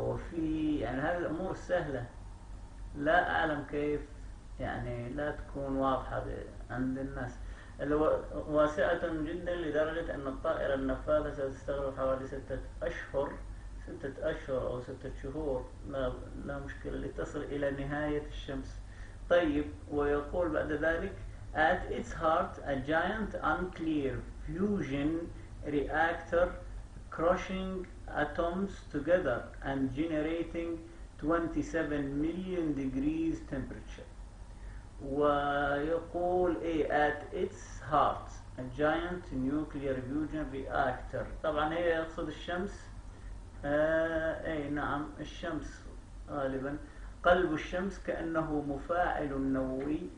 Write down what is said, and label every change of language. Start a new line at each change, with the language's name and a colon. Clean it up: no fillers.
Arabic: وفي يعني هذه الأمور سهلة، لا أعلم كيف يعني لا تكون واضحة عند الناس. واسعة جدا لدرجة أن الطائرة النفاثة ستستغرق حوالي 6 أشهر، 6 أشهر أو 6 شهور، لا مشكلة، لتصل إلى نهاية الشمس. طيب، ويقول بعد ذلك:
English: At its heart a giant unclear fusion reactor crushing atoms together and generating 27 million degrees temperature.
Arabic: ويقول ايه
English: at its heart a giant nuclear fusion reactor،
Arabic: طبعا هي يقصد الشمس، اي نعم الشمس غالبا، قلب الشمس كأنه مفاعل نووي.